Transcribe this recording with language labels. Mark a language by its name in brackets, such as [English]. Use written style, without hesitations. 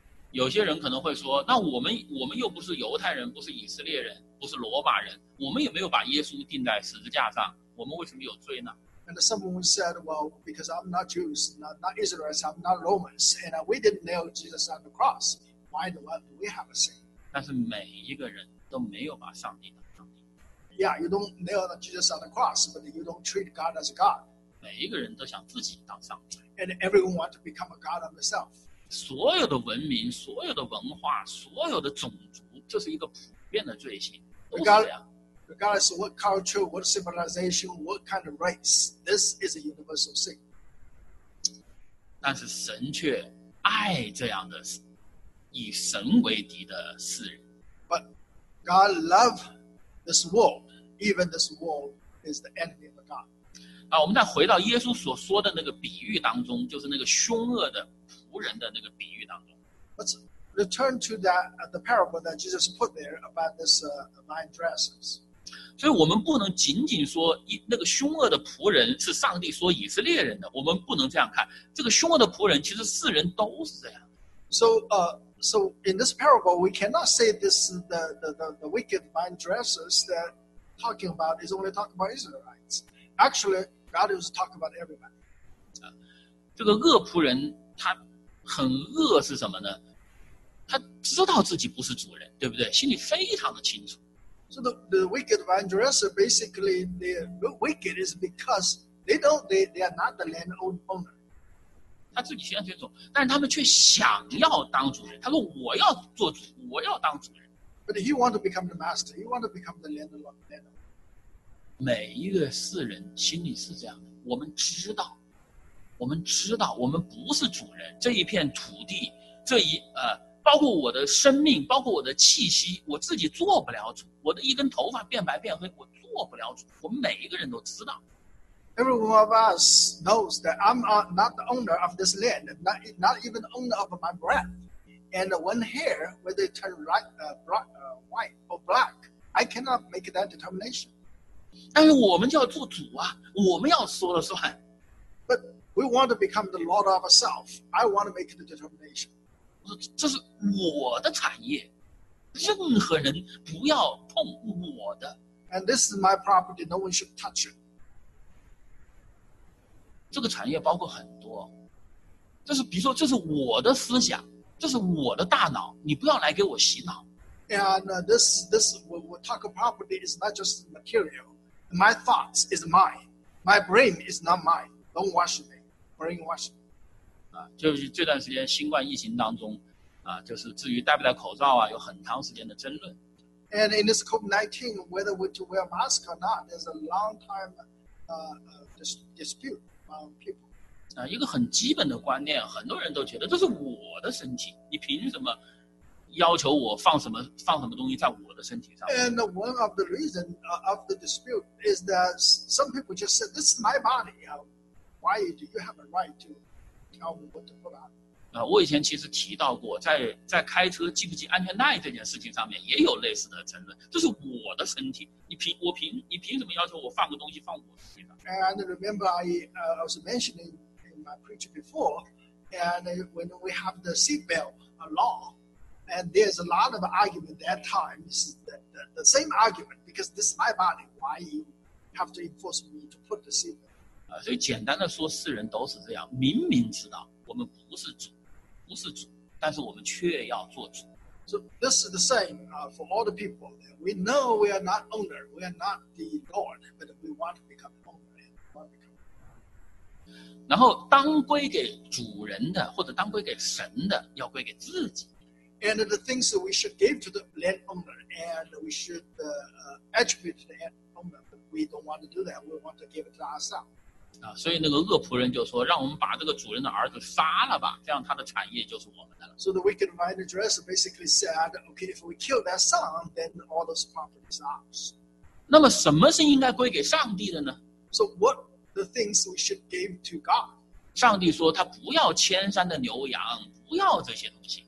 [Chinese] 有些人可能会说，那我们又不是犹太人，不是以色列人，不是罗马人，我们也没有把耶稣钉在十字架上，我们为什么有罪呢？ [English] And someone said, well, because I'm not Jews, not Israelites, I'm not Romans, and we didn't nail Jesus on the cross. Why do we have a sin? [Chinese] 但是每一个人都没有把上帝当上帝。 [English] Yeah, you don't nail Jesus on the cross, but you don't treat God as God. [Chinese] 每一个人都想自己当上帝。 [English] And everyone wants to become a god of himself. [Chinese] 所有的文明，所有的文化，所有的种族，这是一个普遍的罪行，都是这样。 [English] Regardless of what culture, what civilization, what kind of race, this is a universal sin. [Chinese] 但是神却爱这样的以神为敌的世人。 [English] But God loves this world, even this world is the enemy of God. [Chinese] 啊，我们再回到耶稣所说的那个比喻当中，就是那个凶恶的仆人的那个比喻当中。 [English] Let's return to that the parable that Jesus put there about this nine dresses. [Chinese] 所以我们不能仅仅说那个凶恶的仆人是上帝说以色列人的，我们不能这样看。这个凶恶的仆人其实世人都是这样。 [English] So in this parable, we cannot say this the wicked nine dresses that talking about is only talking about Israelites. Actually, God is talking about everybody. [Chinese] 这个恶仆人他很恶是什么呢？他知道自己不是主人，对不对？心里非常的清楚。 [English] So the wicked vine dresser basically they're wicked is because they are not the land owner. [Chinese] 他自己心里清楚，但是他们却想要当主人。他说：“我要做主，我要当主人。” [English] But he want to become the master. He want to become the landowner. [Chinese] 每一个世人心里是这样的，我们知道，我们知道，我们不是主人。这一片土地，这一包括我的生命，包括我的气息，我自己做不了主。我的一根头发变白变黑，我做不了主。我们每一个人都知道。 [English] Every one of us knows that I'm not the owner of this land, not even the owner of my breath. And one hair, whether it turn white or black, I cannot make that determination. [Chinese] 但是我们就要做主啊，我们要说了算。 [English] But we want to become the lord of ourselves. I want to make the determination. [Chinese] 这是我的产业，任何人不要碰我的。 [English] And this is my property. No one should touch it. [Chinese] 这个产业包括很多，这是比如说，这是我的思想，这是我的大脑，你不要来给我洗脑。 [English] And this we talk of property is not just material. My thoughts is mine. My brain is not mine. Don't wash me. Brainwash me. [Chinese] 就是这段时间新冠疫情当中，就是至于戴不戴口罩啊，有很长时间的争论。 [English] And in this COVID-19, whether we to wear mask or not, there's a long time dispute among people. [Chinese] 一个很基本的观念，很多人都觉得这是我的身体，你凭什么？要求我放什么东西在我的身体上。 [English] And one of the reason of the dispute is that some people just said, "This is my body. Why do you have a right to tell me what to put on?" [Chinese] 我以前其实提到过，在开车系不系安全带这件事情上面也有类似的争论。这是我的身体，你凭什么要求我放个东西放我身体上 [English] ？And remember, I was mentioning in my preacher before, and when we have the seatbelt law. And there's a lot of argument that time. This is the same argument because this is my body. Why you have to enforce me to put the seatbelt? [Chinese] 所以简单的说，世人都是这样，明明知道我们不是主，但是我们却要做主。 [English] So this is the same for all the people. We know we are not owner, we are not the lord, but we want to become owner. And we want to become. [Chinese] 然后当归给主人的，或者当归给神的，要归给自己。 [English] and the things that we should give to the land owner, and we should attribute to the land owner, but we don't want to do that. We want to give it to ourselves. [Chinese] 所以那个恶仆人就说，让我们把这个主人的儿子杀了吧，这样他的产业就是我们的了。 [English] So the wicked vineyardress basically said, okay, if we kill that son, then all those properties are ours. [Chinese] 那么什么是应该归给上帝的呢？ [English] So what the things we should give to God? [Chinese] 上帝说他不要千山的牛羊，不要这些东西。